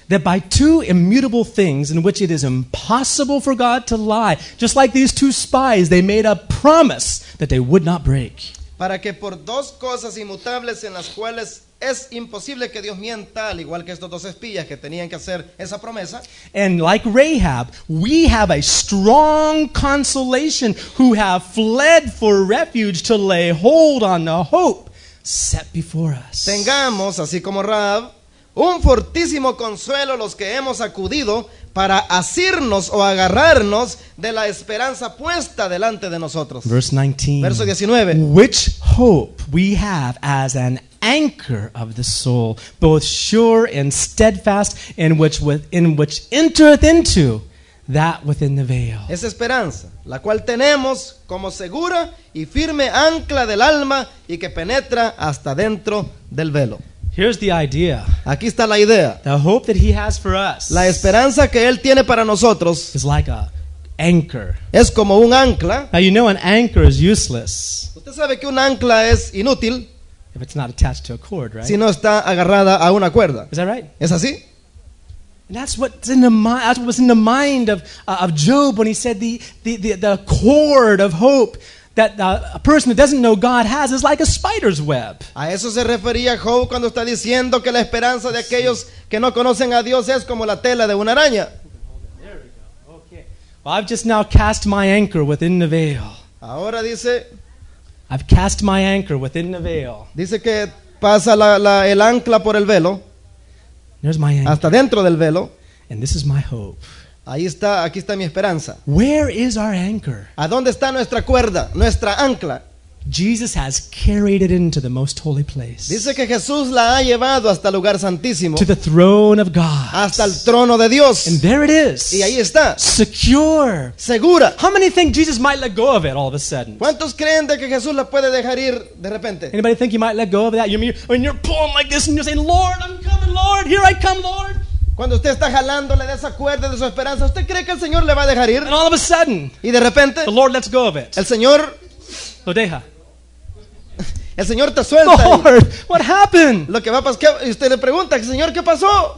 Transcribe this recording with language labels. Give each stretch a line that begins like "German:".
English: That by two immutable things in which it is impossible for God to lie, just like these two spies, they made a promise that they would not break.
Spanish: Para que por dos cosas inmutables en las cuales es imposible que Dios mienta, al igual que estos dos espías que tenían que hacer esa promesa.
English: And like Rahab, we have a strong consolation who have fled for refuge to lay hold on the hope set before us.
Spanish: Tengamos, así como Rahab, un fortísimo consuelo los que hemos acudido para asirnos o agarrarnos de la esperanza puesta delante de nosotros.
English: Verse 19.
Spanish: Verso 19.
English: Which hope we have as an anchor of the soul, both sure and steadfast, in which entereth into that within the veil.
Spanish: Esa esperanza, la cual tenemos como segura y firme ancla del alma y que penetra hasta dentro del velo.
English: Here's the idea.
Spanish: Aquí está la idea.
English: The hope that he has for us.
Spanish: La esperanza que él tiene para nosotros
English: is like a anchor.
Spanish: Es como un ancla.
English: Now you know an anchor is useless.
Spanish: Usted sabe que un ancla es inútil.
English: If it's not attached to a cord, right?
Spanish: Si no está agarrada a una cuerda.
English: Is that right?
Spanish: ¿Es así?
English: And that's what's in the mind. That's what was in the mind of Job when he said the cord of hope that a person who doesn't know God has is like a spider's web.
Spanish: A eso se refería Job cuando está diciendo que la esperanza de aquellos que no conocen a Dios es como la tela de una araña.
English: Well, I've just now cast my anchor within the veil.
Spanish: Ahora dice,
English: I've cast my anchor within the veil.
Spanish: Dice que pasa el ancla por el velo.
English: There's my anchor.
Spanish: Hasta dentro del velo.
English: And this is my hope.
Spanish: Ahí está, aquí está mi esperanza.
English: Where is our anchor?
Spanish: ¿A dónde está nuestra cuerda, nuestra ancla?
English: Jesus has carried it into the most holy place.
Spanish: Dice que Jesús la ha llevado hasta el lugar santísimo.
English: To the throne of God.
Spanish: Hasta el trono de Dios.
English: And there it is.
Spanish: Y ahí está.
English: Secure.
Spanish: Segura.
English: How many think Jesus might let go of it all of a sudden?
Spanish: ¿Cuántos creen de que Jesús la puede dejar ir de repente?
English: Anybody think he might let go of that? You mean when you're pulling like this and you're saying, "Lord, I'm coming, Lord, here I come, Lord."
Spanish: Cuando usted está jalándole de esa cuerda de su esperanza, ¿usted cree que el Señor le va a dejar ir?
English: And all of a sudden,
Spanish: y de repente,
English: the Lord lets go of it.
Spanish: El Señor lo deja. El Señor te suelta.
English: Lord, what happened?
Spanish: Lo que va a pasar, usted le pregunta, Señor, ¿qué pasó?